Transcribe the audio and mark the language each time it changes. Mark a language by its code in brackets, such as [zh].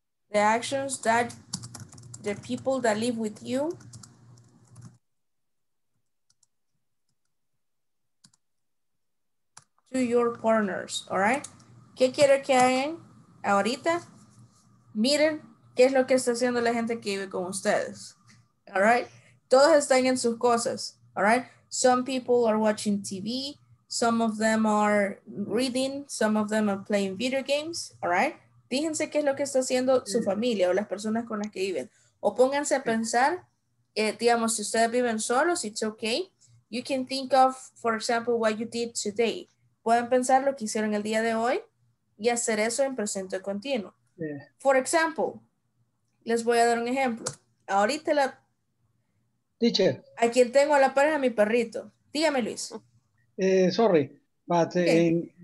[en] the actions that the people that live with you to your partners, all right? [es] ¿Qué quiero que hagan ahorita? Miren qué es lo que está haciendo la gente que vive con ustedes, [en] all right? [es] Todos están en sus cosas, [en] all right? Some people are watching TV, some of them are reading, some of them are playing video games, all right? [es] Fíjense qué es lo que está haciendo su familia o las personas con las que viven. O pónganse a pensar, digamos, si ustedes viven solos, [en] it's okay. You can think of, for example, what you did today. [es] Pueden pensar lo que hicieron el día de hoy y hacer eso en presente continuo. [en] Yeah. For example, [es] les voy a dar un ejemplo. Ahorita la... [en] Teacher. [es] A quien tengo a la pareja, mi perrito. Dígame, Luis. [en] Sorry, but okay.